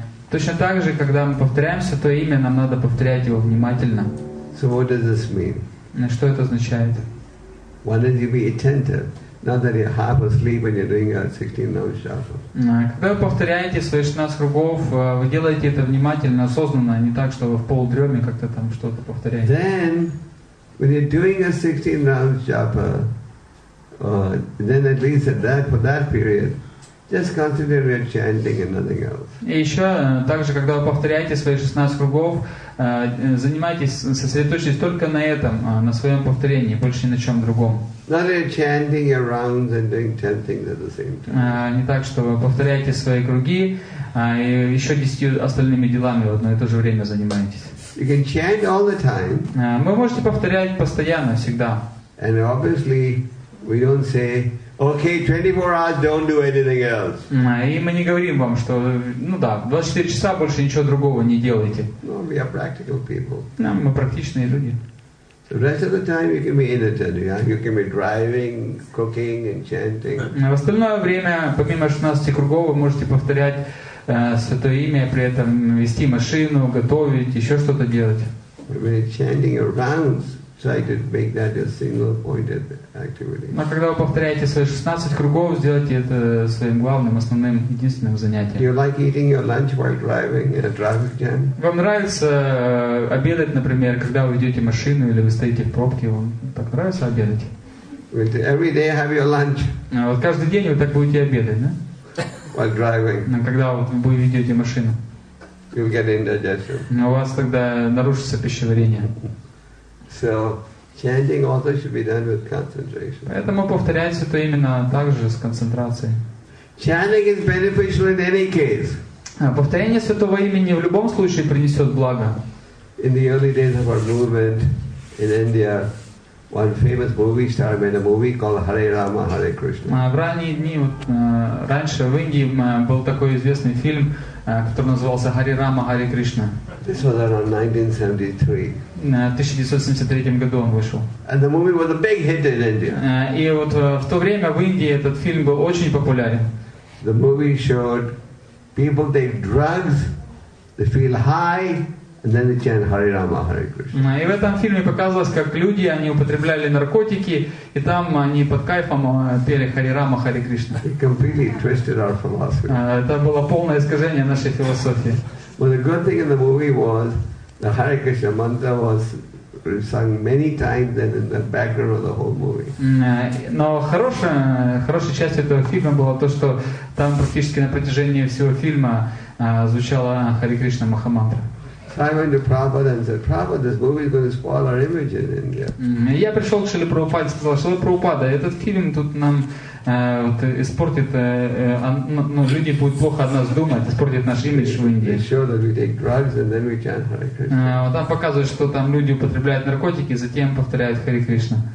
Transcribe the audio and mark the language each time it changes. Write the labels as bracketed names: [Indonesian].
[Russian] Точно так же, когда мы повторяем Святое Имя, нам надо повторять его внимательно. [English] So what does this mean? [Russian] Что это означает? [English] Why don't you be attentive? Not that you're half asleep when you're doing a 16-hour shuffle. [Russian] Когда вы повторяете свои 16 кругов, вы делаете это внимательно, осознанно, а не так, что вы в полудреме как-то там что-то повторяете. [English] Then, when you're doing a 16-hour shuffle, then at least for that period, just concentrate on your chanting and nothing else. [Russian] И еще, также, когда вы повторяете свои 16 кругов, занимайтесь, сосредоточьтесь только на этом, на своем повторении, больше ни на чем другом. [English] Not you're chanting your rounds and doing 10 things at the same time. [Russian] Не так, что вы повторяете свои круги и еще 10 остальными делами в одно и то же время занимаетесь. [English] You can chant all the time. [Russian] Вы можете повторять постоянно, всегда. [English] And obviously we don't say, okay, 24 hours, don't do anything else. [Russian] И мы не говорим вам, что, 24 часа больше ничего другого не делайте. [English] No, we are practical people. [Russian] Мы практичные люди. [English] The rest of the time you can be inattentive. Yeah? You can be driving, cooking, and chanting. [Russian] В остальное время, помимо 16 кругов, вы можете повторять Святое Имя, при этом вести машину, готовить, еще что-то делать. [English] When you're chanting your rounds, try to make that a single-pointed activity. [Russian] Но когда вы повторяете свои 16 кругов, сделайте это своим главным, основным, единственным занятием. [English] Do you like eating your lunch while driving in a traffic jam? [Russian] Вам нравится обедать, например, когда вы ведете машину или вы стоите в пробке? Вам так нравится обедать? [English] Every day have your lunch. [Russian] Вот каждый день вы так будете обедать, да? [English] While driving. [Russian] Когда вы ведете машину? [English] You'll get indigestion. [Russian] У вас тогда нарушится пищеварение. [English] So chanting also should be done with concentration. [Russian] Поэтому повторять это именно так же с концентрацией. [English] Chanting is beneficial in any case. [Russian] Повторение святого имени в любом случае принесет благо. [English] In the early days of our movement in India, one famous movie star made a movie called Hare Rama, Hare Krishna. [Russian] В ранние дни, раньше в Индии был такой известный фильм, который назывался Hare Rama, Hare Krishna. [English] This was around 1973. [Russian] В 1973 году он вышел. [English] And the movie was a big hit in India. [Russian] И вот в то время в Индии этот фильм был очень популярен. [English] The movie showed people take drugs, they feel high, and then they chant Hare Rama, Hare Krishna. [Russian] И в этом фильме показывалось, как люди, они употребляли наркотики, и там они под кайфом пели Hare Rama, Hare Krishna. [English] It completely twisted our philosophy. [Russian] Это было полное искажение нашей философии. [English] Well, the good thing in the movie was the Hare Krishna mantra was sung many times and in the background of the whole movie. [Russian] Но хорошая часть этого фильма была то, что там практически на протяжении всего фильма звучала Hare Krishna Mahamantra. [English] So I went to Prabhupada and said, Prabhupada, this movie is going to spoil our image in India. [Russian] Я пришел к Шриле Прабхупаде и сказал, Шриле Прабхупада, этот фильм тут нам испортит, ну, люди будут плохо о нас думать, испортит наш имидж в Индии. Там показывают, что там люди употребляют наркотики, затем повторяют Хари Кришна.